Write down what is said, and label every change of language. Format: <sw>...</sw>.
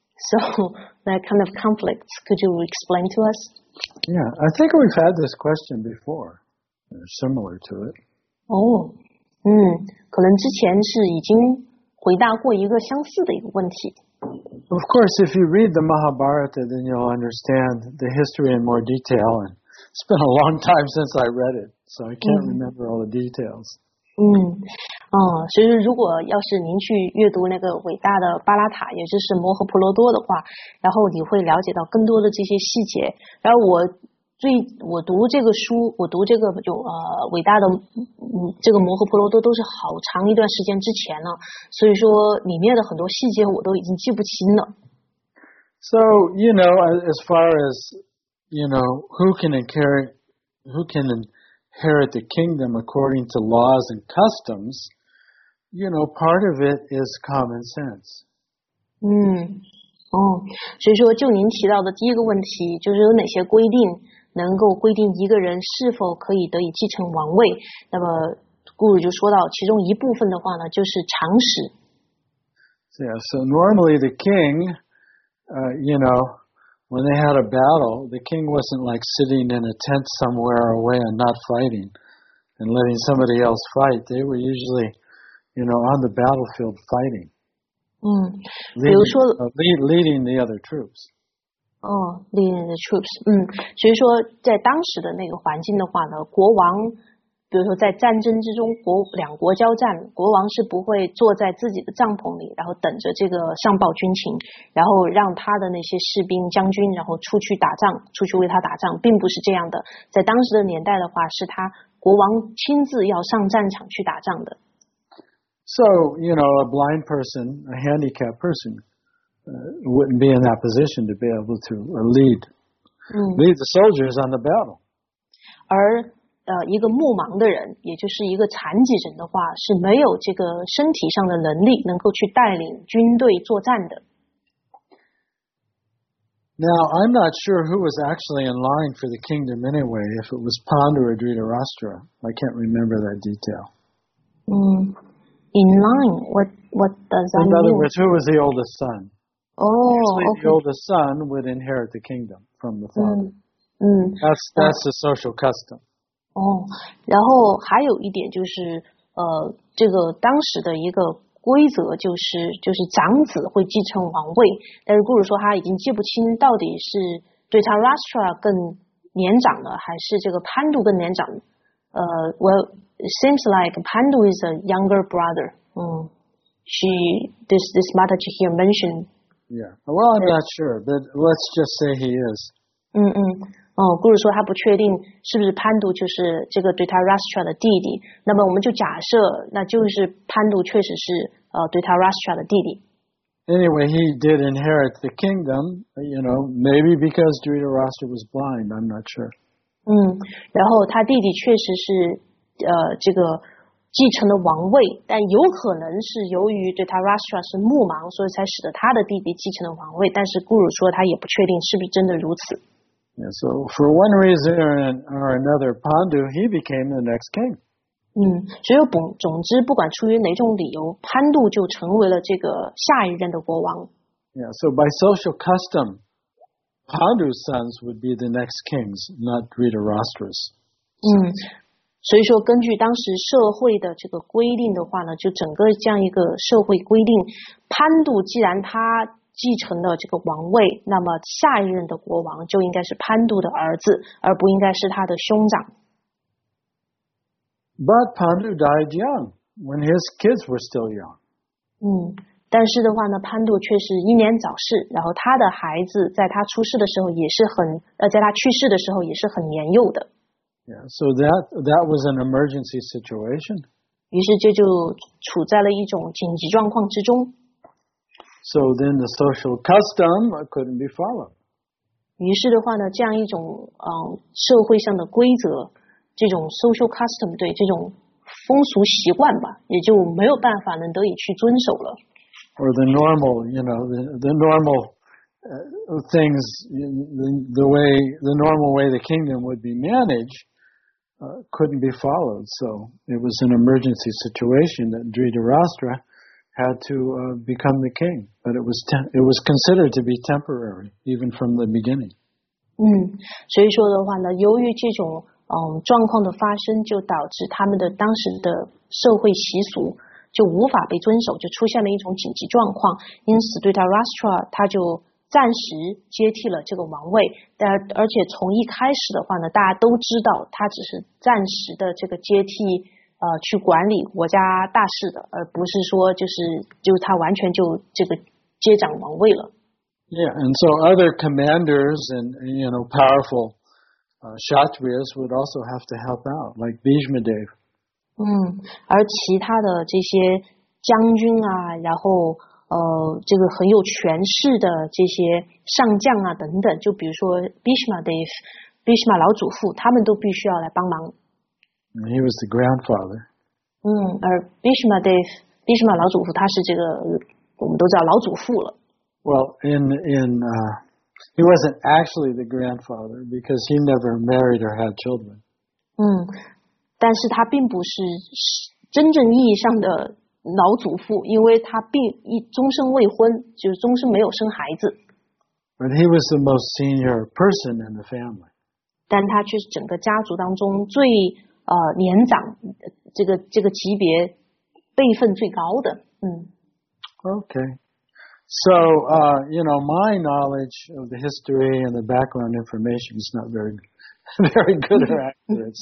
<en>So that kind of conflicts, could you explain to us? Yeah, I think we've had this question before. Similar to it.</en> <zh>Oh, 可能之前是已经回答过一个相似的一个问题。</zh> <en>Of course, if you read the Mahabharata, then you'll understand the history in more detail. And it's been a long time since I read it, so I can't remember all the details.</en> <zh>所以如果要是您去阅读那个伟大的巴拉塔，也就是摩诃婆罗多的话，然后你会了解到更多的这些细节。然后我读这个书，我读这个有伟大的这个摩诃婆罗多都是好长一段时间之前了，所以说里面的很多细节我都已经记不清了。</zh> <en>So you know, as far as you know, who can inherit the kingdom according to laws and customs? You know, part of it is common sense.</en> <zh>所以说就您提到的第一个问题，就是有哪些规定能够规定一个人是否可以得以继承王位，那么顾主就说到其中一部分的话呢，就是常识。</zh> <en>Yeah, so normally the king, you know, when they had a battle, the king wasn't like sitting in a tent somewhere away and not fighting and letting somebody else fight. They were usually, you know, on the battlefield fighting.</en> <zh>比如说</zh> <en>leading the other troops. Leading the troops.</en> <zh>所以说在当时的那个环境的话呢，国王比如说在战争之中，两国交战，国王是不会坐在自己的帐篷里然后等着这个上报军情，然后让他的那些士兵将军然后出去打仗，出去为他打仗，并不是这样的。在当时的年代的话，是他国王亲自要上战场去打仗的。</zh> <en>So, you know, a blind person, a handicapped personwouldn't be in that position to be able to lead the soldiers on the battle.</en> <zh>而一个目盲的人，也就是一个残疾人的话，是没有这个身体上的能力能够去带领军队作战的。</zh> <en>Now, I'm not sure who was actually in line for the kingdom anyway, if it was Pandu or Dhritarashtra. I can't remember that detail. In line? What does that mean? In other words, who was the oldest son? Oh, usually the oldest son would inherit the kingdom from the father. That's a social custom.</en> <zh>哦，然后还有一点就是，这个当时的一个规则就是长子会继承王位，但是故事说他已经记不清到底是对他 Rashtra 更年长的，还是这个 Pandu 更年长。</zh> <en>Well, it seems like Pandu is a younger brother. This Mataji here mentioned. Yeah. Well, I'm not sure, but let's just say he is.</en> <zh>哦，故事说他不确定是不是潘度就是这个对他 Rashtra 的弟弟，那么我们就假设那就是潘度确实是对他 Rashtra 的弟弟。</zh> <en>Anyway, he did inherit the kingdom, you know, maybe because Dhritarashtra was blind, I'm not sure.</en> <zh>然后他弟弟确实是这个继承了王位，但有可能是由于对他 Rashtra 是目盲，所以才使得他的弟弟继承了王位，但是故事说他也不确定是不是真的如此。</zh> <en>Yeah, so for one reason or another, Pandu, he became the next king.</en> <zh>所以总之不管出于哪种理由，潘度就成为了这个下一任的国王。</zh> <en>Yeah, so by social custom, Pandu's sons would be the next kings, not Dhritarashtra's.</en> <zh>所以说根据当时社会的这个规定的话呢，就整个这样一个社会规定，潘度既然他继承了这个王位，那么下一任的国王就应该是潘度的儿子，而不应该是他的兄长。</zh> <en>But Pandu died young, when his kids were still young.</en> <zh>但是的话呢，潘度却是英年早逝，然后他的孩子在他出世的时候也是很，在他去世的时候也是很年幼的。</zh> <en>Yeah, so that was an emergency situation.</en> <zh>于是就处在了一种紧急状况之中。</zh> <en>So then the social custom couldn't be followed.</en> <zh>于是的话呢，这样一种社会上的规则，这种</zh> <en>social custom,</en> <zh>对，这种风俗习惯吧，也就没有办法能得以去遵守了。</zh> <en>Or the normal, you know, the normal way the kingdom would be managedcouldn't be followed. So it was an emergency situation that Dhritarashtra had to become the king, but it was considered to be temporary, even from the beginning.</en> <zh>所以说的话呢，由于这种状况的发生，就导致他们的当时的社会习俗就无法被遵守，就出现了一种紧急状况。因此，对他 Rashtra 他就暂时接替了这个王位。但而且从一开始的话呢，大家都知道他只是暂时的这个接替。去管理国家大事的，而不是说就是他完全就这个接掌王位了。</zh> <en>Yeah, and so other commanders and you know powerful kshatriyas would also have to help out, like Bhishma Dev.</en> <zh>而其他的这些将军啊，然后这个很有权势的这些上将啊等等，就比如说 Bhishma Dev, Bhishma 老祖父，他们都必须要来帮忙。</zh> <en>He was the grandfather.</en> <zh>而 Bhishma Dev, Bhishma 老祖父，他是这个我们都叫老祖父了。</zh> <en>Well, he wasn't actually the grandfather because he never married or had children.</en> <zh>但是他并不是真正意义上的老祖父，因为他终身未婚，就是终身没有生孩子。</zh> <en>But he was the most senior person in the family.</en> <zh>但他却是整个家族当中最年长，这个级别辈分最高的。</zh> <en>Okay. So, you know, my knowledge of the history and the background information is not very, very good or accurate.</en>